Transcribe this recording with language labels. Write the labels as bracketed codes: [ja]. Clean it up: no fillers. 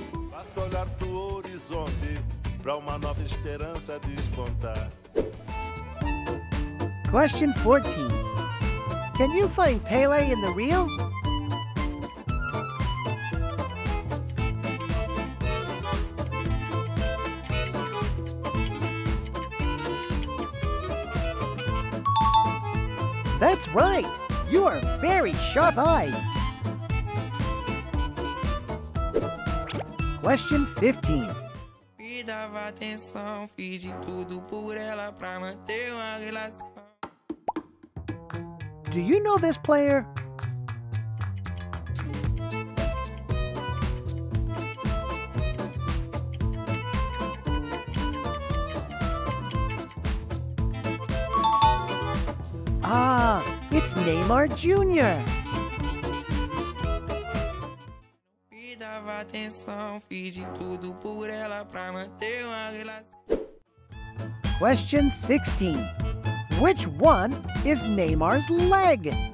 [pt] Basta olhar pro horizonte para uma nova esperança despontar. [en] Question 14. Can you find Pele in the real? That's right! You are very sharp-eyed! Question 15. [pt] Me dava atenção, fiz de tudo por ela pra manter uma relação. [en] Do you know this player? Ah, it's Neymar Jr. [pt] Me dava atenção, fiz de tudo por ela pra manter uma relação. [en] Question 16. Which one is Neymar's leg?